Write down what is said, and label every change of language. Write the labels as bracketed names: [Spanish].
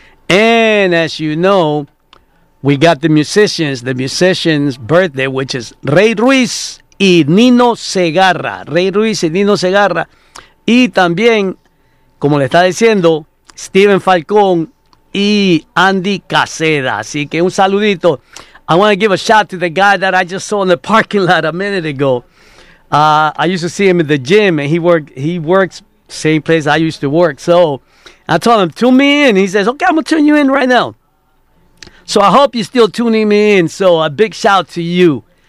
[English] And as you know, we got the musicians' birthday, which is Rey Ruiz. [Spanish] Y Nino Segarra, Rey Ruiz y Nino Segarra. Y también, como le está diciendo, Stephen Falcón y Andy Caseda. Así que un saludito. [English] I want to give a shout to the guy that I just saw in the parking lot a minute ago. I used to see him in the gym and he works same place I used to work. So I told him, tune me in. He says, okay, I'm going to tune you in right now. So I hope you're still tuning me in. So a big shout to you.